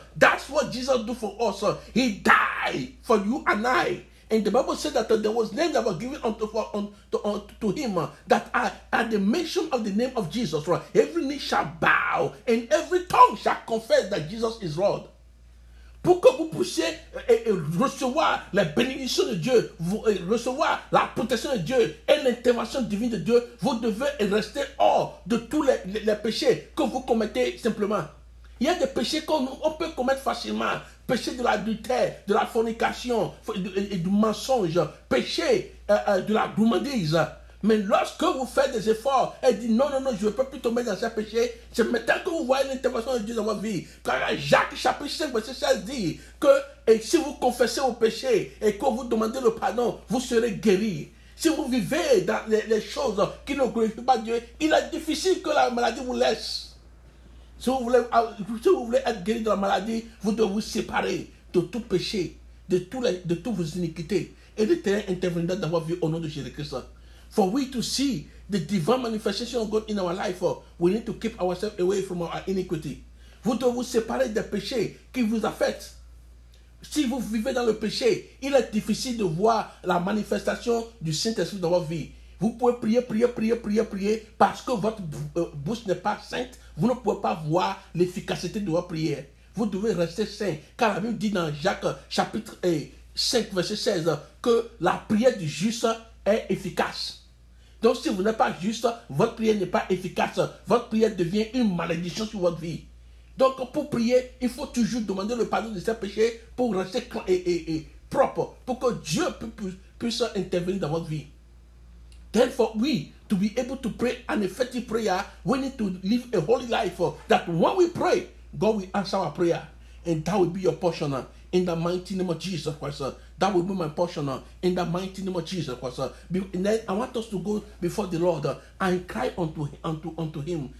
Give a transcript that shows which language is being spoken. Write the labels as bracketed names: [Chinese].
[English] That's what Jesus did for us. He died for you and I. And the Bible said that there was names that were given unto him that are at the mention of the name of Jesus. Right? Every knee shall bow and every tongue shall confess that Jesus is Lord. [French] Pourquoi vous poussez recevoir la bénédiction de Dieu, recevoir la protection de Dieu et l'intervention divine de Dieu, vous devez rester hors de tous les péchés que vous commettez simplement. Il y a des péchés qu'on peut commettre facilement. Péché de l'adultère, de la fornication, du mensonge, péché de la gourmandise. Mais lorsque vous faites des efforts et dites non, je ne peux plus tomber dans ce péché, c'est maintenant que vous voyez l'intervention de Dieu dans votre vie. Car Jacques chapitre 5, verset 16 dit que et si vous confessez vos péchés et que vous demandez le pardon, vous serez guéri. Si vous vivez dans les choses qui ne glorifient pas Dieu, il est difficile que la maladie vous laisse. Si vous voulez être guéri de la maladie, vous devez vous séparer de tout péché, de toutes vos iniquités. Et l'Éternel interviendra dans votre vie au nom de Jésus-Christ. [English] For we to see the divine manifestation of God in our life, we need to keep ourselves away from our iniquity. [French] Vous devez vous séparer des péchés qui vous affectent. Si vous vivez dans le péché, il est difficile de voir la manifestation du Saint-Esprit dans votre vie. Vous pouvez prier, parce que votre bouche n'est pas sainte, vous ne pouvez pas voir l'efficacité de votre prière. Vous devez rester saint, car la Bible dit dans Jacques chapitre 5, verset 16, que la prière du juste est efficace. Donc si vous n'êtes pas juste, votre prière n'est pas efficace. Votre prière devient une malédiction sur votre vie. Donc pour prier, il faut toujours demander le pardon de ses péchés pour rester clair et propre, pour que Dieu puisse intervenir dans votre vie. [English] Therefore, we, to be able to pray an effective prayer, we need to live a holy life that when we pray, God will answer our prayer. And that will be your portion in the mighty name of Jesus Christ. That will be my portion in the mighty name of Jesus Christ. And then I want us to go before the Lord and cry unto him.